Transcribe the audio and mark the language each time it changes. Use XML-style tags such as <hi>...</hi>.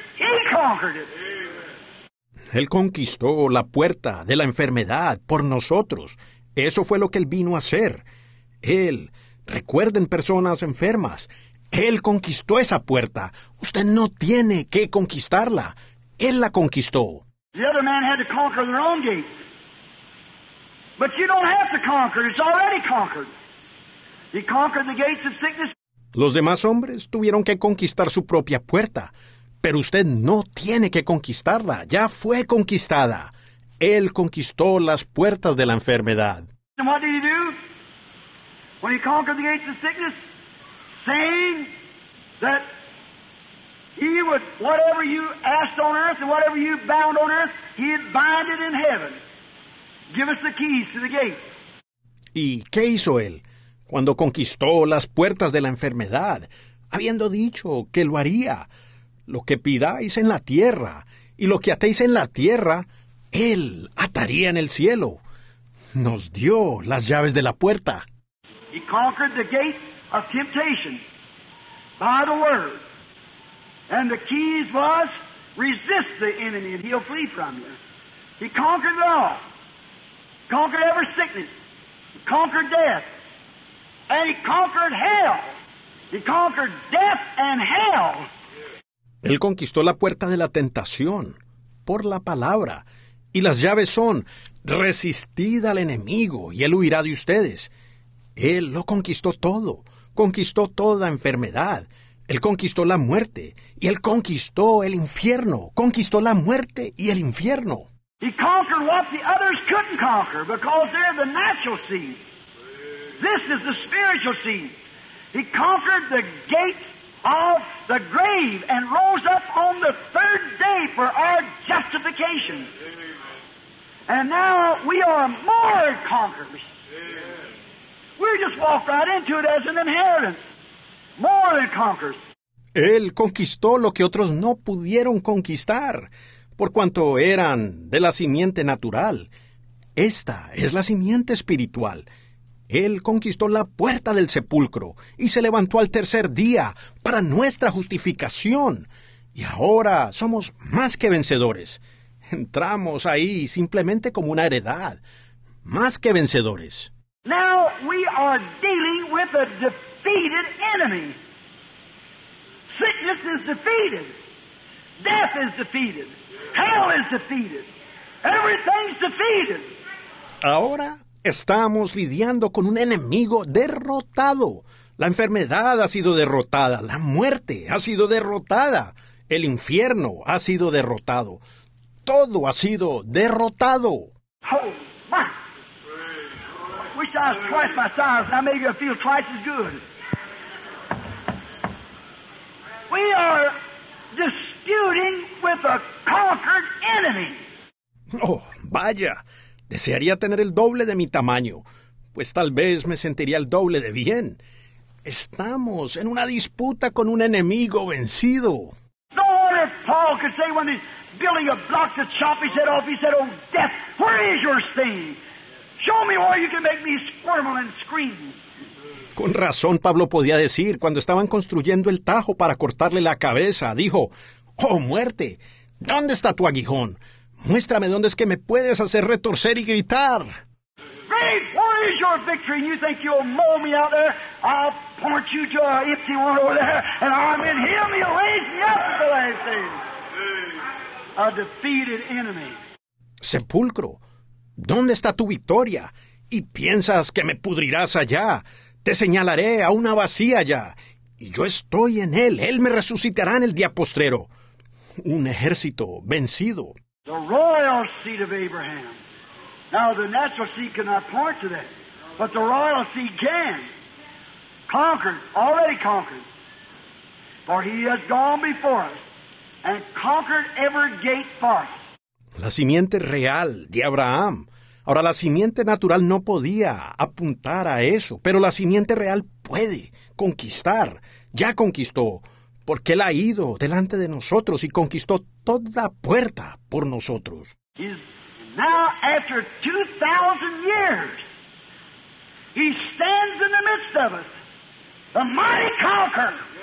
<en>He conquered it.</en> <es>Él conquistó la puerta de la enfermedad por nosotros. Eso fue lo que él vino a hacer. Él, recuerden, personas enfermas, él conquistó esa puerta. Usted no tiene que conquistarla. Él la conquistó.</es> <en>The other man had to conquer their own gate. But you don't have to conquer. It's already conquered. He conquered the gates of sickness.</en> <es>Los demás hombres tuvieron que conquistar su propia puerta, pero usted no tiene que conquistarla. Ya fue conquistada. Él conquistó las puertas de la enfermedad.</es> <en>And what did he do when he conquered the gates of sickness? Saying that he would, whatever you asked on earth and whatever you bound on earth, he'd bind it in heaven. Give us the keys to the gate.</en> <es>¿Y qué hizo él cuando conquistó las puertas de la enfermedad, habiendo dicho que lo haría? Lo que pidáis en la tierra y lo que atéis en la tierra, él ataría en el cielo. Nos dio las llaves de la puerta.</es> <en>He conquered the gate of temptation by the word. And the keys was resist the enemy and he'll flee from you. He conquered it all. Conquered every sickness, conquered death, and he conquered hell. He conquered death and hell.</en> <es>Él conquistó la puerta de la tentación. por la palabra. Y las llaves son, resistid al enemigo y él huirá de ustedes. Él lo conquistó toda enfermedad. Él conquistó la muerte y él conquistó el infierno. Conquistó la muerte y el infierno.</es> <en>He conquered what the others couldn't conquer because they're the natural seed. This is the spiritual seed. He conquered the gate of the grave and rose up on the third day for our justification. And now we are more conquerors. We just walk right into it as an inheritance. More than conquerors.</en> <es>Él conquistó lo que otros no pudieron conquistar, por cuanto eran de la simiente natural. Esta es la simiente espiritual. Él conquistó la puerta del sepulcro y se levantó al tercer día para nuestra justificación. Y ahora somos más que vencedores. Entramos ahí simplemente como una heredad. Más que vencedores.</es> <en>Now we are dealing with a defeated enemy. Sickness is defeated. Death is defeated. Hell is defeated. Everything's defeated.</en> <es>Ahora estamos lidiando con un enemigo derrotado. La enfermedad ha sido derrotada. La muerte ha sido derrotada. El infierno ha sido derrotado. Todo ha sido derrotado.</es> <en>Oh, my. Wish I was twice my size. Now maybe I feel twice as good. We are disputing with a conquered enemy.</en> <es>Oh, vaya. Desearía tener el doble de mi tamaño, pues tal vez me sentiría el doble de bien. Estamos en una disputa con un enemigo vencido.</es> <en>No, if Paul could say when he's building a block to chop his head off, he said, oh, death, where is your sting? Show me where you can make me squirm and scream.</en> <es>Con razón Pablo podía decir, cuando estaban construyendo el tajo para cortarle la cabeza, dijo, oh, muerte, ¿dónde está tu aguijón? Muéstrame dónde es que me puedes hacer retorcer y gritar.</es> <en>Grave, where is your victory? And you think you'll mow me out there? I'll point you to an empty one over there, and I'm in him. He'll raise me up at the last day. A defeated enemy.</en> <es>Sepulcro, ¿dónde está tu victoria? Y piensas que me pudrirás allá. Te señalaré a una vacía allá. Y yo estoy en él. Él me resucitará en el día postrero. Un ejército vencido.</es> <en>The royal seed of Abraham. Now the natural seed cannot point to that, but the royal seed can. Conquered, already conquered. For he has gone before us and conquered every gate for us.</en> <es>La simiente real de Abraham. Ahora la simiente natural no podía apuntar a eso, pero la simiente real puede conquistar. Ya conquistó. Porque él ha ido delante de nosotros y conquistó toda puerta por nosotros.</es> <en>He's now after 2,000 years, he stands in the midst of us, the mighty conqueror.</en>